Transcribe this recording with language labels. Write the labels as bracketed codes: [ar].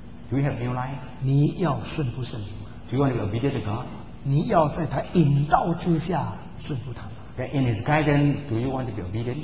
[en] Do you have new life? [zh] 你要顺服圣灵吗 [en] Do you want to be obedient to God? [zh] 你要在他引导之下顺服他吗 [en] That in his guidance, do you want to be obedient?